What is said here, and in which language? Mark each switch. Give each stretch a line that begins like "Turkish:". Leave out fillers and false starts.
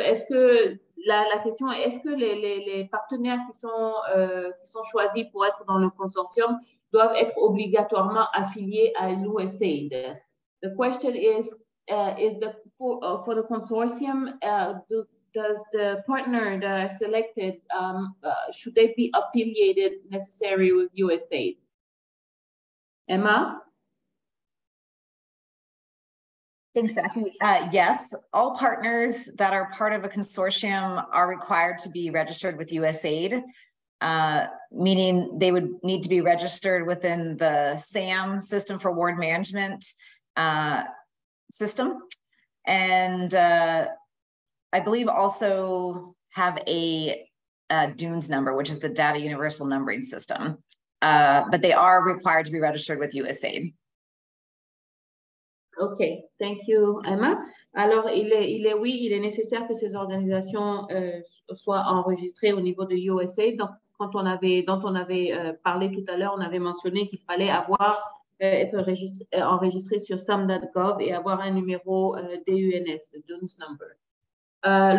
French: La question est, est-ce que les partenaires qui sont choisis pour être dans le consortium doivent être obligatoirement affiliés à l'USAID?
English: The question is the for the consortium does the partner that are selected should they be affiliated necessary with USAID? Emma? Thanks, Zachy. Yes, all partners that are part of a consortium are required to be registered with USAID, meaning they would need to be registered within the SAM system for ward management system. And I believe also have a DUNES number, which is the Data Universal Numbering System. But they are required to be registered with USAID. OK, thank you, Emma.
French: Alors, il est nécessaire que ces organisations soient enregistrées au niveau de USAID. Donc, dont on avait parlé tout à l'heure, on avait mentionné qu'il fallait avoir être enregistré sur SAM.gov et avoir un numéro DUNS, DUNS number.